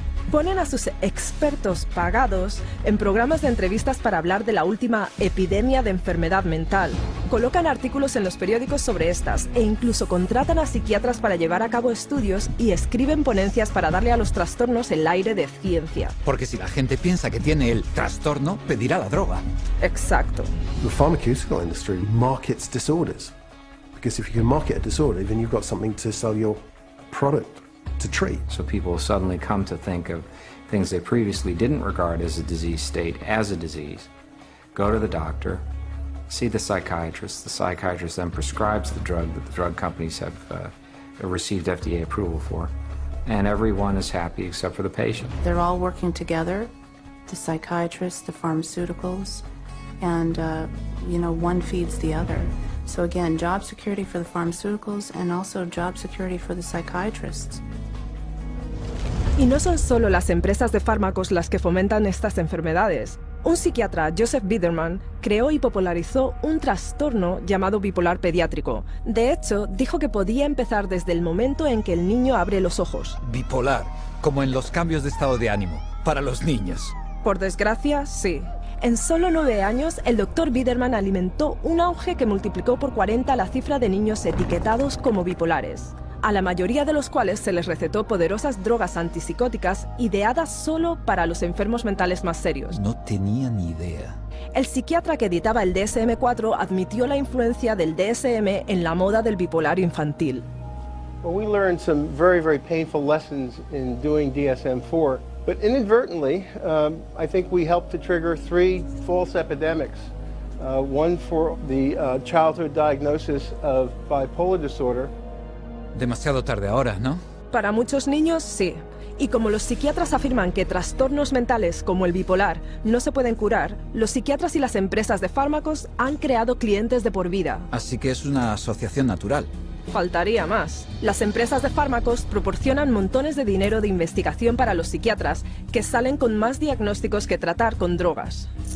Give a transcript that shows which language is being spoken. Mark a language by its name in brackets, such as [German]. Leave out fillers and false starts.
[Spanish] Ponen a sus expertos pagados en programas de entrevistas para hablar de la última epidemia de enfermedad mental. Colocan artículos en los periódicos sobre estas e incluso contratan a psiquiatras para llevar a cabo estudios y escriben ponencias para darle a los trastornos el aire de ciencia. Porque si la gente piensa que tiene el trastorno, pedirá la droga. Exacto. [English] The pharmaceutical industry markets disorders. Because if you can market a disorder, then you've got something to sell your product. To treat. So people suddenly come to think of things they previously didn't regard as a disease state as a disease, go to the doctor, see the psychiatrist then prescribes the drug that the drug companies have received FDA approval for, and everyone is happy except for the patient. They're all working together, the psychiatrists, the pharmaceuticals, and you know, one feeds the other. So again, job security for the pharmaceuticals and also job security for the psychiatrists. [Spanish] Y no son solo las empresas de fármacos las que fomentan estas enfermedades. Un psiquiatra, Joseph Biederman, creó y popularizó un trastorno llamado bipolar pediátrico. De hecho, dijo que podía empezar desde el momento en que el niño abre los ojos. Bipolar, como en los cambios de estado de ánimo, para los niños. Por desgracia, sí. En solo 9 años, el doctor Biederman alimentó un auge que multiplicó por 40 la cifra de niños etiquetados como bipolares, a la mayoría de los cuales se les recetó poderosas drogas antipsicóticas ideadas solo para los enfermos mentales más serios. No tenía ni idea. El psiquiatra que editaba el DSM-4 admitió la influencia del DSM en la moda del bipolar infantil. [English] Well, we learned some very, very painful lessons in doing DSM-4. But inadvertently, I think we helped to trigger 3 false epidemics. One for the childhood diagnosis of bipolar disorder. [Spanish] Demasiado tarde ahora, ¿no? Para muchos niños, sí. Y como los psiquiatras afirman que trastornos mentales como el bipolar no se pueden curar, los psiquiatras y las empresas de fármacos han creado clientes de por vida. Así que es una asociación natural. Faltaría más. Las empresas de fármacos proporcionan montones de dinero de investigación para los psiquiatras, que salen con más diagnósticos que tratar con drogas.